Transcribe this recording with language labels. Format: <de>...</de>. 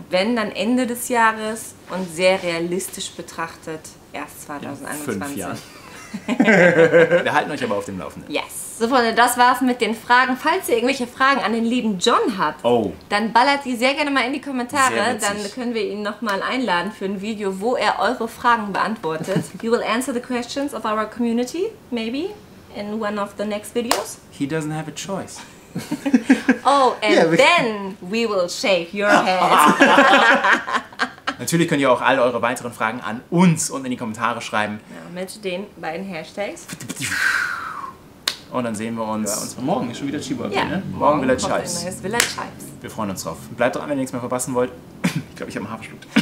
<de>Wenn, dann Ende des Jahres und sehr realistisch betrachtet erst 2021. In 5 Jahren. Wir halten euch aber auf dem Laufenden.</de> <en>Yes.</en> <de>So, Freunde, das war's mit den Fragen. Falls ihr irgendwelche Fragen an den lieben John habt, dann ballert sie sehr gerne mal in die Kommentare. Dann können wir ihn nochmal einladen für ein Video, wo er eure Fragen beantwortet.</de> <en>You will answer the questions of our community, maybe, in one of the next videos. He doesn't have a choice. then we will shave your head.</en> <de>Natürlich könnt ihr auch alle eure weiteren Fragen an uns unten in die Kommentare schreiben. Ja, mit den beiden Hashtags. Und dann sehen wir uns. Ja, morgen ist schon wieder Chibo. Ja. Ne? Morgen Villa Chives. Villa Chives. Wir freuen uns drauf. Bleibt dran, wenn ihr nichts mehr verpassen wollt. Ich glaube, ich habe einen Haferschluck.</de>